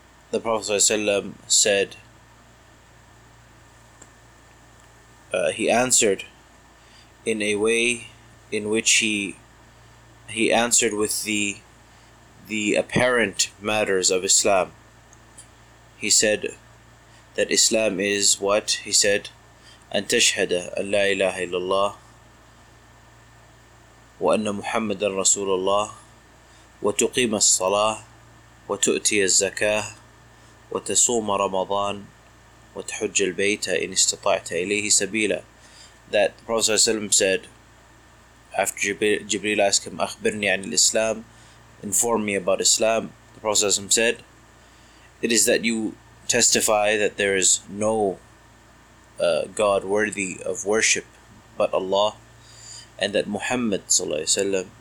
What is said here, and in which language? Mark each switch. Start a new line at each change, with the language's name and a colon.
English: The Prophet ﷺ said, he answered in a way in which he answered with the apparent matters of Islam. He said that Islam is what? He said,
Arabic: أن تشهد أن لا إله إلا الله وأن محمد رسول الله وتقيم الصلاة وتؤتي الزكاة وتصوم رمضان وتحج البيت إن استطعت إليه سبيلا.
English: That the Prophet ﷺ said, after Jibreel asked him,
Arabic: أخبرني عن الإسلام,
English: inform me about Islam, the Prophet ﷺ said, it is that you testify that there is no God worthy of worship but Allah, and that Muhammad ﷺ